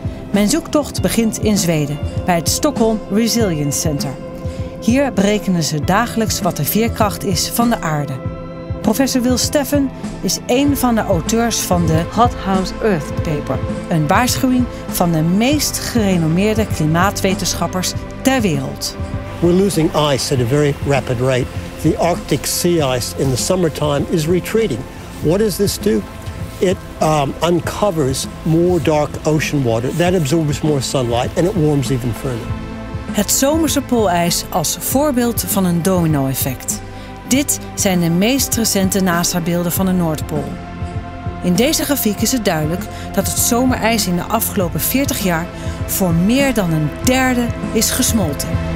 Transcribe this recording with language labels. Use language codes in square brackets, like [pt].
[nl] Mijn zoektocht begint in Zweden, bij het Stockholm Resilience Center. Hier berekenen ze dagelijks wat de veerkracht is van de aarde. Professor Will Steffen is een van de auteurs van de Hot House Earth Paper. Een waarschuwing van de meest gerenommeerde klimaatwetenschappers ter wereld. [en] We're losing ice at a very rapid rate. The Arctic sea ice in the summertime is retreating. What does this do? It uncovers more dark ocean water. That absorbs more sunlight and it warms even further. [nl] Het zomerse poolijs als voorbeeld van een domino-effect. Dit zijn de meest recente NASA-beelden van de Noordpool. In deze grafiek is het duidelijk dat het zomerijs in de afgelopen 40 jaar voor meer dan een derde is gesmolten.